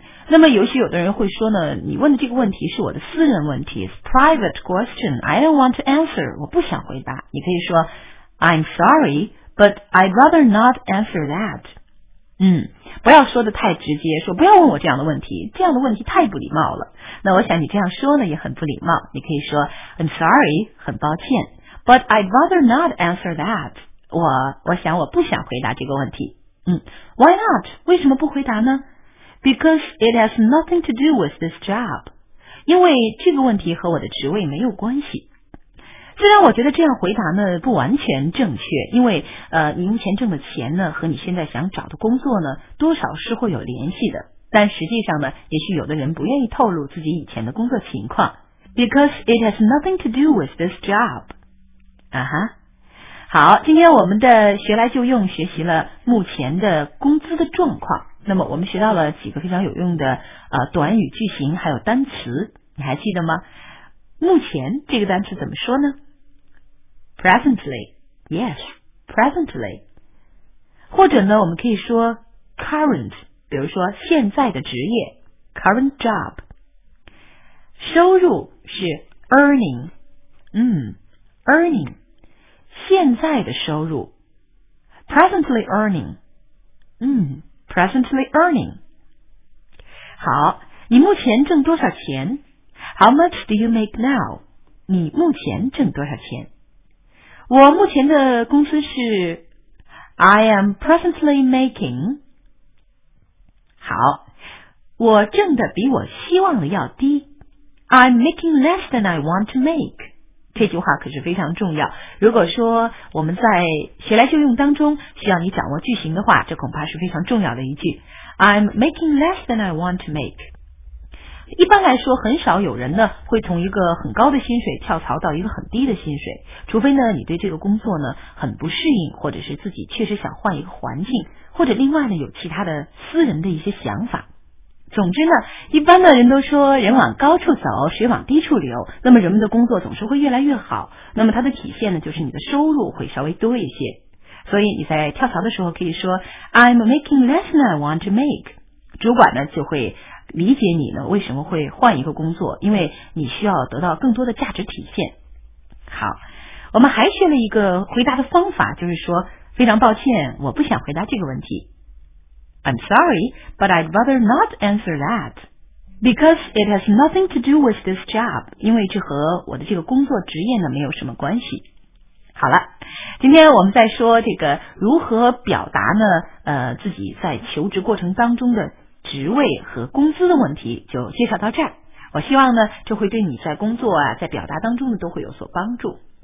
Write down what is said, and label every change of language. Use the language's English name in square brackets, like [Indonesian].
[Chinese] 那么尤其有的人会说呢，你问的这个问题是我的私人问题， [English] private question, I don't want to answer, [Chinese] 我不想回答。你可以说 [English] I'm sorry, but I'd rather not answer that。 [Chinese] 不要说的太直接，说不要问我这样的问题，这样的问题太不礼貌了。那我想你这样说呢也很不礼貌，你可以说 [English] I'm sorry, [Chinese] 很抱歉， [English] but I'd rather not answer that, [Chinese] 我想我不想回答这个问题。 [English] Why not? [Chinese] 为什么不回答呢？ [English] Because it has nothing to do with this job. [Chinese] 因为这个问题和我的职位没有关系。虽然我觉得这样回答呢不完全正确，因为你目前挣的钱呢和你现在想找的工作呢多少是会有联系的。但实际上呢也许有的人不愿意透露自己以前的工作情况。 [English] Because it has nothing to do with this job. [Chinese] 好，今天我们的学来就用学习了目前的工资的状况。那么我们学到了几个非常有用的短语句型还有单词，你还记得吗？目前这个单词怎么说呢？ [English] Presently, yes, presently. [Chinese] 或者呢我们可以说 current, 比如说现在的职业 current job. 收入是 earning, earning, 现在的收入 [English] presently earning, presently earning. [Chinese] 好，你目前挣多少钱？ [English] How much do you make now? [Chinese] 你目前挣多少钱？我目前的工资是 [English] I am presently making. [Chinese] 好，我挣的比我希望的要低。 [English] I'm making less than I want to make. [Chinese] 这句话可是非常重要，如果说我们在学来就用当中需要你掌握句型的话，这恐怕是非常重要的一句。 [English] I'm making less than I want to make。 [Chinese] 一般来说很少有人呢会从一个很高的薪水跳槽到一个很低的薪水，除非呢你对这个工作呢很不适应，或者是自己确实想换一个环境，或者另外呢有其他的私人的一些想法。总之呢，一般的人都说人往高处走，水往低处流，那么人们的工作总是会越来越好，那么它的体现呢，就是你的收入会稍微多一些。所以你在跳槽的时候可以说 [English] I'm making less than I want to make， [Chinese] 主管呢就会理解你呢为什么会换一个工作，因为你需要得到更多的价值体现。好，我们还学了一个回答的方法，就是说非常抱歉，我不想回答这个问题。 [English] I'm sorry, but I'd rather not answer that. Because it has nothing to do with this job. [Chinese] 因为这和我的这个工作职业呢没有什么关系。好了，今天我们在说这个如何表达呢自己在求职过程当中的职位和工资的问题就介绍到这儿。我希望呢这会对你在工作啊在表达当中都会有所帮助。